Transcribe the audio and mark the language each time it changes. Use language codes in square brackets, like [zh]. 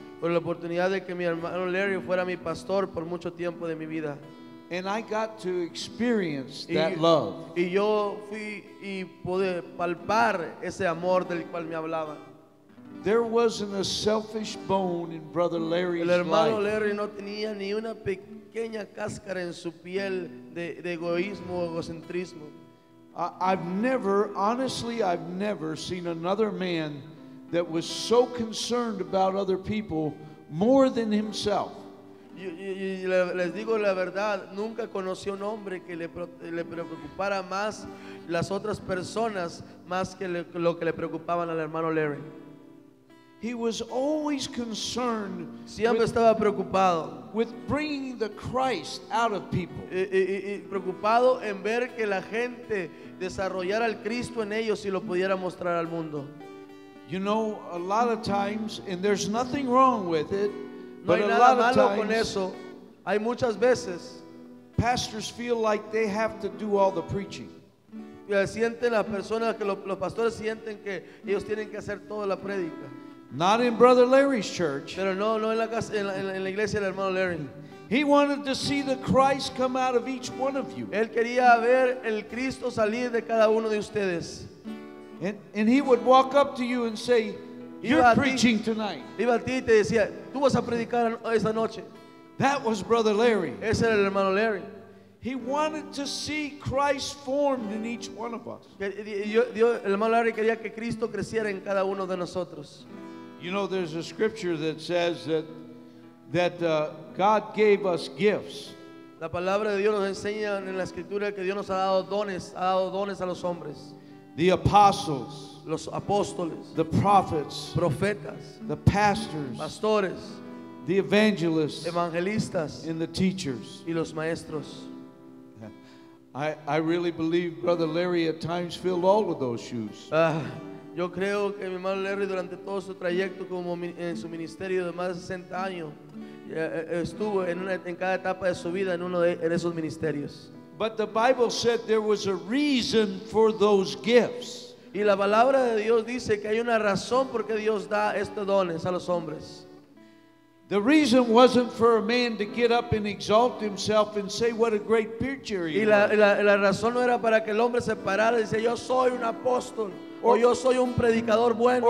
[es] Por la oportunidad de que mi hermano Larry fuera mi pastor por mucho tiempo de mi vida. [en] And I got to experience that love. [es] Y yo fui y pude palpar ese amor del cual me hablaban. [en] There wasn't a selfish bone in Brother Larry's life. [es] El hermano Larry no tenía ni una pequeña cáscara en su piel de egoísmo o egocentrismo. [en] I've never seen another man that was so concerned about other people more than himself. [es] Y les digo la verdad, nunca conocí un hombre que le preocupara más las otras personas más que lo que le preocupaban al hermano Larry. [en] He was always concerned. [es] Siempre estaba preocupado. [en] With bringing the Christ out of people. [es] Y preocupado en ver que la gente desarrollara el Cristo en ellos y lo pudiera mostrar al mundo. [en] You know, a lot of times, and there's nothing wrong with it. [es] No hay nada malo con eso. Hay muchas veces. [en] Pastors feel like they have to do all the preaching. [es] Sienten las personas que los pastores sienten que ellos tienen que hacer toda la predica. [en] Not in Brother Larry's church. [es] Pero no en la casa, en la iglesia del hermano Larry. [en] He wanted to see the Christ come out of each one of you. [es] Él quería ver el Cristo salir de cada uno de ustedes. [en] And he would walk up to you and say, "You're preaching tonight." [es] Iba a ti y te decía, "Tú vas a predicar esta noche." [en] That was Brother Larry. [es] Ese era el hermano Larry. [en] He wanted to see Christ formed in each one of us. [es] El hermano Larry quería que Cristo creciera en cada uno de nosotros. [en] You know, there's a scripture that says that God gave us gifts. [es] La palabra de Dios nos enseña en la escritura que Dios nos ha dado dones a los hombres. [en] The apostles, [es] los apóstoles, [en] the prophets, [es] profetas, [en] the pastors, [es] pastores, [en] the evangelists, [es] evangelistas, [en] and the teachers, [es] y los maestros. [en] I really believe Brother Larry at times filled all of those shoes. [es] Yo creo que mi hermano Larry durante todo su trayecto como en su ministerio de más de 60 años estuvo en cada etapa de su vida en uno de esos ministerios. [en] But the Bible said there was a reason for those gifts. [es] Y la palabra de Dios dice que hay una razón por qué Dios da estos dones a los hombres. [en] The reason wasn't for a man to get up and exalt himself and say what a great preacher he is. [es] Y la razón no era para que el hombre se parara y dice yo soy un apóstol. O yo soy un predicador bueno.